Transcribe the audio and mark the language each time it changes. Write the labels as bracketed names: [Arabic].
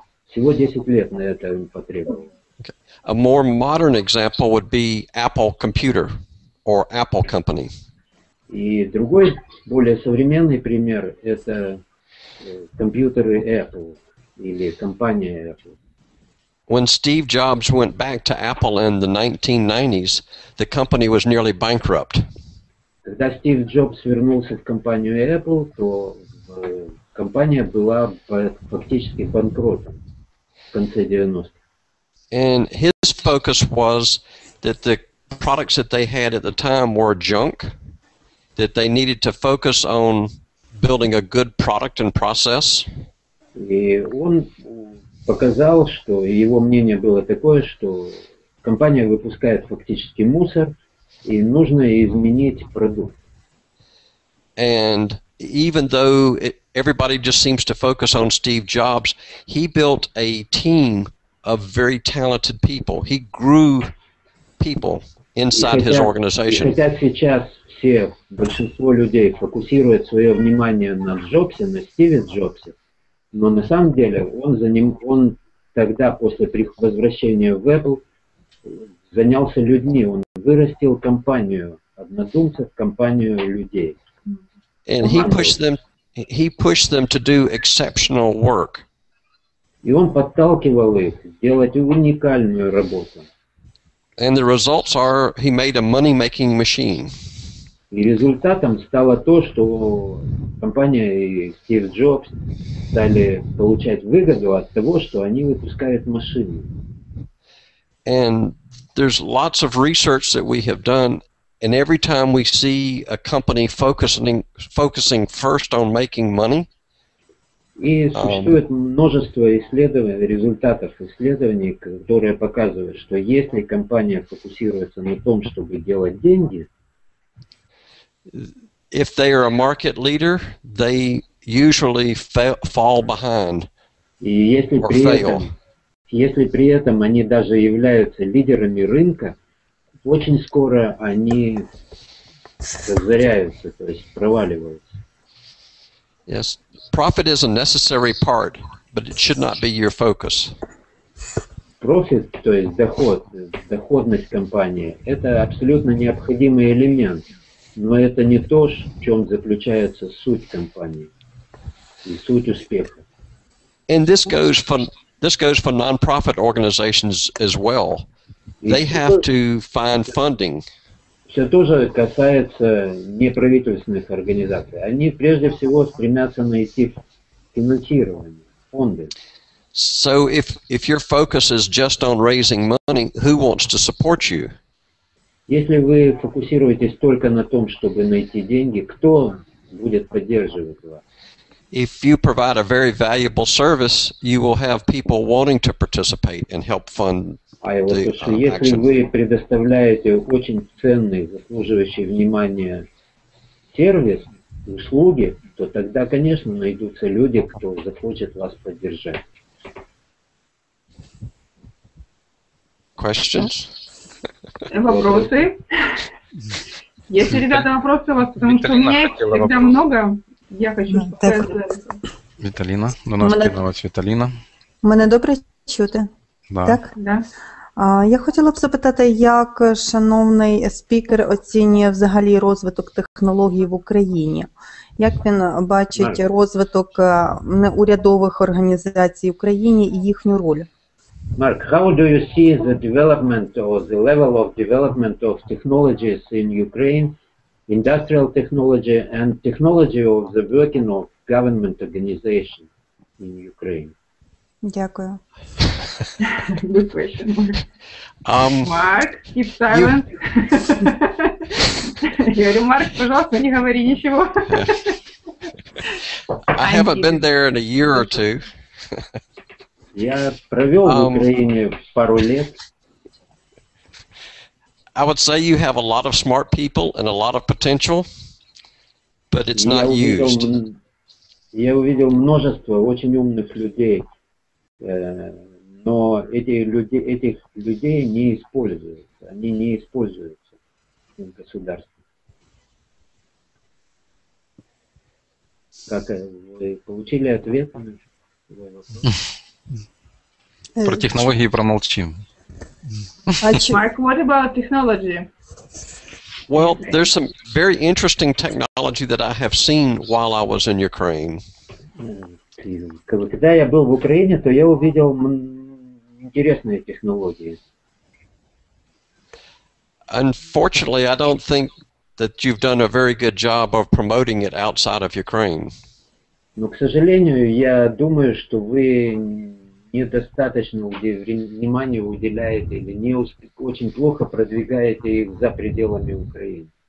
[Russian] Всего 10 лет на это им потребовалось. [English] Okay. A more modern example would be Apple Computer or Apple Company. [Russian] И другой, более современный пример – это компьютеры Apple или компания Apple. [English] When Steve Jobs went back to Apple in the 1990s, the company was nearly bankrupt. [Russian] Когда Стив Джобс вернулся в компанию Apple, то компания была фактически банкротом в конце 90-х. [English] And his focus was that the products that they had at the time were junk, that they needed to focus on building a good product and process. [Russian] И он показал, что его мнение было такое, что компания выпускает фактически мусор, и нужно изменить продукт. [English] And even though everybody just seems to focus on Steve Jobs, he built a team of very talented people. He grew people inside his organization. [Russian] И хотя сейчас большинство людей фокусирует свое внимание на Джобсе, на Стиве Джобсе, но на самом деле он тогда, после возвращения в Apple, занялся людьми, он вырастил компанию однодумцев, компанию людей. [English] And he pushed them to do exceptional work. [Russian] И он подталкивал их делать уникальную работу. [English] And the results are he made a money-making machine. [Russian] И результатом стало то, что компания и Стив Джобс стали получать выгоду от того, что они выпускают машины. [English] And there's lots of research that we have done, and every time we see a company focusing first on making money. [Russian] И существует множество исследований, результатов исследований, которые показывают, что если компания фокусируется на том, чтобы делать деньги, [English] if they are a market leader, they usually fall behind or fail. [Russian] Если при этом они даже являются лидерами рынка, очень скоро они разоряются, то есть проваливаются. [English] Yes, profit is a necessary part, but it should not be your focus. [Russian] profit, то есть доход, доходность компании, это абсолютно необходимый элемент, но это не то, в чем заключается суть компании и суть успеха. [English] And this goes for non-profit organizations as well. They have to find funding. [Russian] Все тоже касается неправительственных организаций. Они прежде всего стремятся найти финансирование, фонды. [English] So if your focus is just on raising money, who wants to support you? [Russian] Если вы фокусируетесь только на том, чтобы найти деньги, кто будет поддерживать вас? [English] If you provide a very valuable service, you will have people wanting to participate and help fund the action. [Russian] Если вы предоставляете очень ценный, заслуживающий внимания сервис, услуги, то тогда, конечно, найдутся люди, кто захочет вас поддержать. [English] Questions? [Russian] Вопросы? Если, ребята, вопросы у вас, потому что у меня их всегда много, я хочу сказать. [Ukrainian] Віталіна, до нас кинулась Віталіна. Мене добре чути? [Russian] Да. [Ukrainian] Так? [Russian] Да. [Ukrainian] Я хотіла б запитати, як шановний спікер оцінює взагалі розвиток технологій в Україні? Як він бачить розвиток неурядових організацій в Україні і їхню роль? [English] Mark, how do you see the development or the level of development of technologies in Ukraine, industrial technology and technology of the working of government organizations in Ukraine? [Ukrainian] Дякую. [English] Good question, Mark. Mark, keep silent. [Russian] Я говорю, Марк, пожалуйста, не говори ничего. [English] I haven't been there in a year or two. [Russian] Я провел в Украине пару лет. [English] I would say you have a lot of smart people and a lot of potential, but it's not used. [Russian] Я увидел множество очень умных людей, но этих людей не используются. Они не используются в государстве. Как вы получили ответ на свой вопрос? Про технологии промолчим. [English] Mark, what about technology? Well, there's some very interesting technology that I have seen while I was in Ukraine. [Russian] Когда я был в Украине, то я увидел интересные технологии. [English] Unfortunately, I don't think that you've done a very good job of promoting it outside of Ukraine. [Russian] Но, к сожалению, я думаю, что вы недостаточно внимания уделяете или не очень плохо продвигаете их за пределами Украины.